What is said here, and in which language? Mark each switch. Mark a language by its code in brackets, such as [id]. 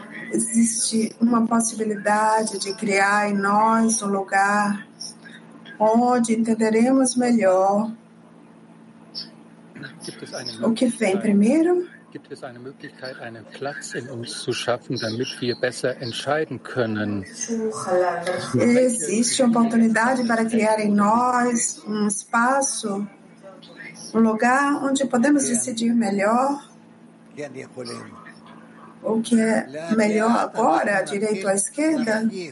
[pt] Existe uma possibilidade de criar em nós lugar onde entenderemos melhor o que vem primeiro. [de] Gibt es eine Möglichkeit, einen Platz in uns zu schaffen, damit wir besser entscheiden können? [pt] Existe uma oportunidade para criar em nós espaço, lugar onde podemos decidir melhor. o que é melhor agora, à direita ou à esquerda?